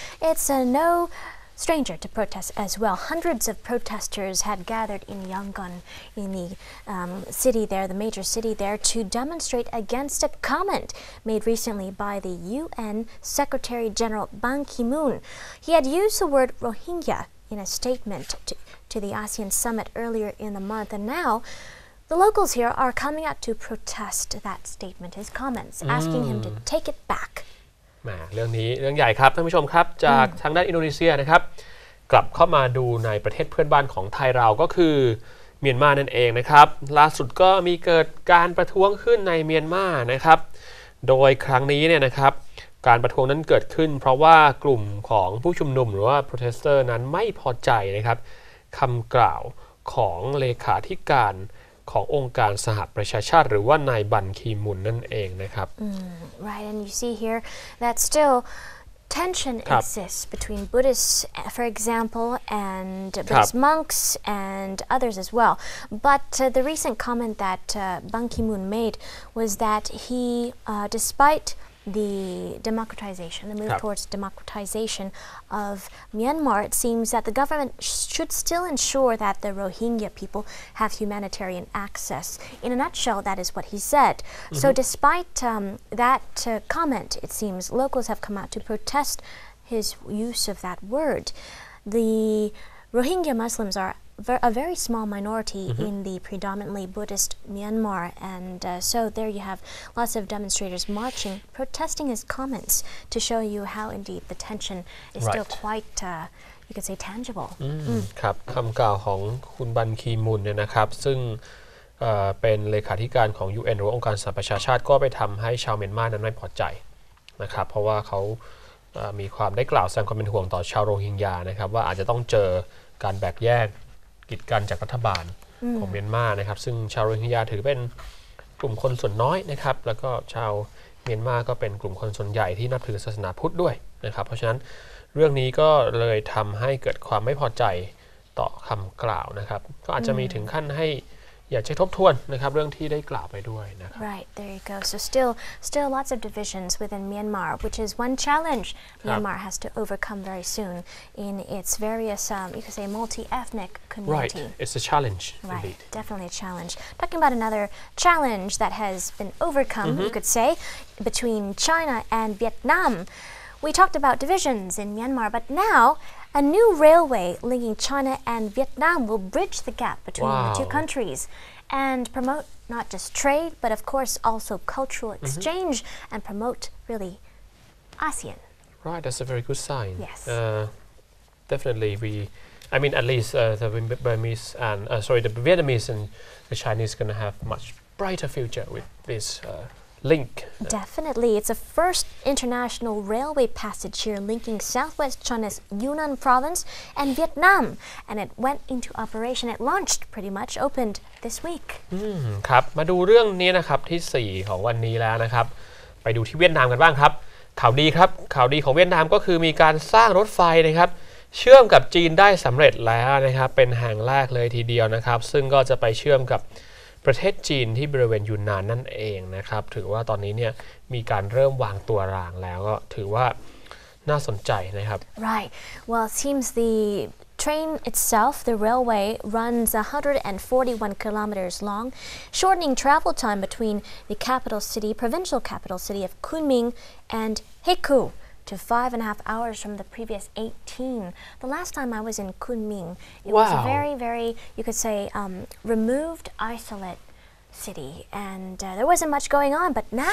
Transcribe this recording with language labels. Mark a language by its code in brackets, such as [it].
[en] It's no stranger to protests as well. Hundreds of protesters had gathered in Yangon, in the city there, the major city there, to demonstrate against a comment made recently by the UN Secretary General Ban Ki-moon. He had used the word Rohingya in a statement to the ASEAN summit earlier in the month, and now the locals here are coming out to protest that statement, his comments, asking him to take it back. [th] เรื่องนี้เรื่องใหญ่ครับท่านผู้ชมครับจากทางด้านอินโดนีเซียนะครับกลับเข้ามาดูในประเทศเพื่อนบ้านของไทยเราก็คือเมียนมานั่นเองนะครับล่าสุดก็มีเกิดการประท้วงขึ้นในเมียนมานะครับโดยครั้งนี้เนี่ยนะครับการประท้วงนั้นเกิดขึ้นเพราะว่ากลุ่มของผู้ชุมนุมหรือว่าโปรเทสเตอร์นั้นไม่พอใจนะครับคำกล่าวของเลขาธิการขององค์การสหประชาชาติหรือว่านายบันคีมุนนั่นเองนะครับ [en] Right and you see here that still tension exists between Buddhists for example and Buddhist monks and others as well but the recent comment that Ban Ki-moon made was that he despite the democratization the move towards democratization of Myanmar it seems that the government should still ensure that the Rohingya people have humanitarian access in a nutshell that is what he said so despite that comment it seems locals have come out to protest his use of that word the Rohingya Muslims are a very small minority in the predominantly Buddhist Myanmar and so there you have lots of demonstrators marching protesting his comments to show you how indeed the tension is still quite you could say tangible [th] ครับคำกล่าวของคุณบันคีมุนเนี่ยนะครับซึ่งเป็นเลขาธิการของ UN หรือองค์การสหประชาชาติก็ไปทำให้ชาวเมียนมานั้นไม่พอใจนะครับเพราะว่าเขา มีความได้กล่าวแสดงความเป็นห่วงต่อชาวโรฮิงญานะครับว่าอาจจะต้องเจอการแบ่งแยกกิจการจากรัฐบาลของเมียนมานะครับซึ่งชาวโรฮิงญาถือเป็นกลุ่มคนส่วนน้อยนะครับแล้วก็ชาวเมียนมาก็เป็นกลุ่มคนส่วนใหญ่ที่นับถือศาสนาพุทธด้วยนะครับเพราะฉะนั้นเรื่องนี้ก็เลยทําให้เกิดความไม่พอใจต่อคํากล่าวนะครับก็อาจจะมีถึงขั้นให้อยากจะทบทวนนะครับเรื่องที่ได้กล่าวไปด้วยนะครับ [en] Right there you go so still lots of divisions within Myanmar which is one challenge Myanmar has to overcome very soon in its various you could say multi-ethnic community Right it's a challenge indeed definitely a challenge talking about another challenge that has been overcome you could say between China and Vietnam we talked about divisions in Myanmar but nowA new railway linking China and Vietnam will bridge the gap between the two countries and promote not just trade, but of course also cultural exchange and promote, really, ASEAN. Right, that's a very good sign. Yes. Definitely, the Vietnamese and the Chinese are going to have much brighter future with this link. Definitely. It's the first international railway passage here linking southwest China's Yunnan province and Vietnam. And it went into operation. It launched pretty much, opened this week. [th] ครับมาดูเรื่องนี้นะครับที่4ของวันนี้แล้วนะครับไปดูที่เวียดนามกันบ้างครับข่าวดีครับข่าวดีของเวียดนามก็คือมีการสร้างรถไฟนะครับเชื่อมกับจีนได้สำเร็จแล้วนะครับเป็นแห่งแรกเลยทีเดียวนะครับซึ่งก็จะไปเชื่อมกับประเทศจีนที่บริเวณยูนนานนั่นเองนะครับถือว่าตอนนี้เนี่ยมีการเริ่มวางตัวรางแล้วก็ถือว่าน่าสนใจนะครับ [en] Right well it seems the train itself the railway runs 141 kilometers long shortening travel time between the capital city provincial capital city of Kunming and Haeku to 5.5 hours from the previous 18 the last time I was in Kunming it was a very very you could say removed isolate city and there wasn't much going on but now